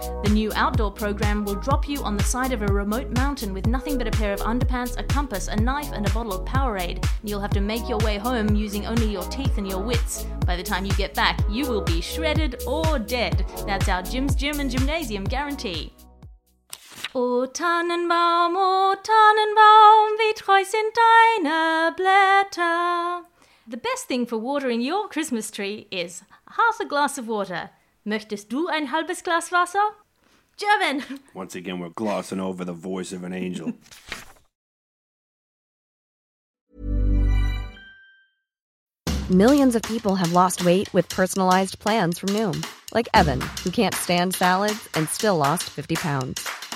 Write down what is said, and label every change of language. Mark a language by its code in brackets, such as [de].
[en] The new outdoor program will drop you on the side of a remote mountain with nothing but a pair of underpants, a compass, a knife, and a bottle of Powerade. You'll have to make your way home using only your teeth and your wits. By the time you get back, you will be shredded or dead. That's our Jim's Gym and Gymnasium guarantee. [de] O Tannenbaum, O Tannenbaum, wie treu sind deine Blätter. [en] The best thing for watering your Christmas tree is half a glass of water. [de] Möchtest du ein halbes Glas Wasser? [en] German! Once again, we're glossing over the voice of an angel. Millions of people have lost weight with personalized plans from Noom. Like Evan, who can't stand salads and still lost 50 pounds.